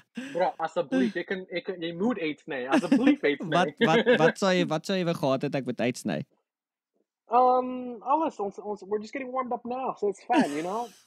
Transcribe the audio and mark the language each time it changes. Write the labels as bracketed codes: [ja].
[af] Bro, asseblief, jy moet uitsny, asseblief uitsny. Wat sal jy wel gehad het ek moet uitsny? Alles, [en] we're just getting warmed up now, so it's fine, you know?